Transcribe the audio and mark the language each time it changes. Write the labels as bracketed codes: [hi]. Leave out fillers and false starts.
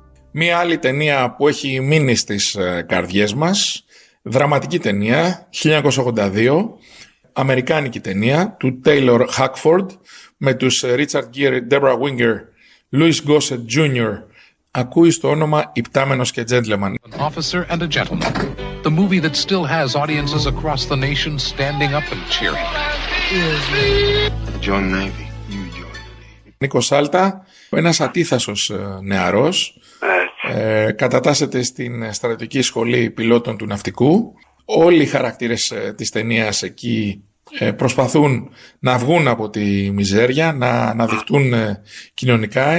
[el] Μία άλλη ταινία που έχει μείνει στις καρδιές μας, δραματική ταινία, 1982, αμερικάνικη ταινία του Taylor Hackford με τους Richard Gere, Deborah Winger, Louis Gossett Jr. Ακούει το όνομα «Υπτάμενος και Gentleman». [en] An officer and a gentleman. The movie that still has audiences across the nation standing up and cheering. Join Navy. [el] Νίκο Σάλτα, ένας ατίθασος νεαρός, κατατάσσεται στην στρατιωτική σχολή πιλότων του ναυτικού. Όλοι οι χαρακτήρες της ταινίας εκεί προσπαθούν να βγουν από τη μιζέρια, να αναδειχτούν κοινωνικά.